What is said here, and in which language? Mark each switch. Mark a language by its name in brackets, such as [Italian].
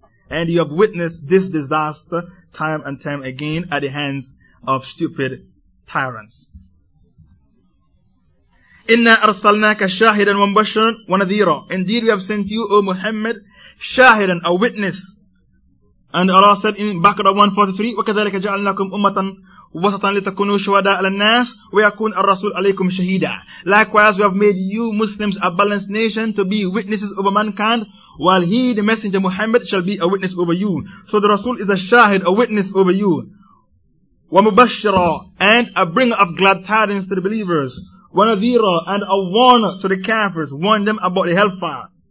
[English] And you have witnessed this disaster time and time again at the hands of stupid tyrants. [Arabic] إِنَّا أَرْسَلْنَاكَ شَاهِدًا وَمُبَشِّرًا وَنَذِيرًا. [English] Indeed, we have sent you, O Muhammad, shahidan, a witness. And Allah said in Baqarah 143, [Arabic] وَكَذَلِكَ جَعَلْنَاكُمْ أُمَّةً وَسَطًا لِتَكُنُوا شُهَدَاءَ عَلَى النَّاسِ وَيَكُونَ الرَّسُولُ عَلَيْكُمْ شَهِيدًا. [English] Likewise, we have made you Muslims a balanced nation to be witnesses over mankind, while he, the messenger Muhammad, shall be a witness over you. So the Rasul is a shahid, a witness over you. وَمُبَشِّرًا, and a bringer of glad tidings to the believers. وَنَذِيرًا, and a warner to the kafirs, warn them about the hellfire.